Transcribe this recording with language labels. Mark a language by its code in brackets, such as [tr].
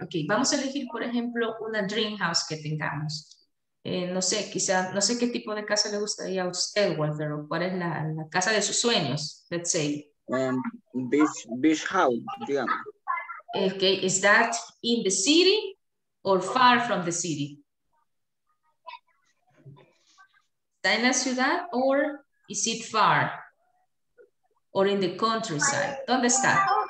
[es] Okay, vamos a elegir, por ejemplo, una dream house que tengamos. No sé qué tipo de casa le gustaría a usted, Walter, o cuál es la casa de sus sueños, [en] let's say. Beach house, [es] digamos. [en] Okay, is that in the city or far from the city? [es] ¿Está en la ciudad o [en] is it far? [es] ¿O [en] in the countryside? [es] ¿Dónde está?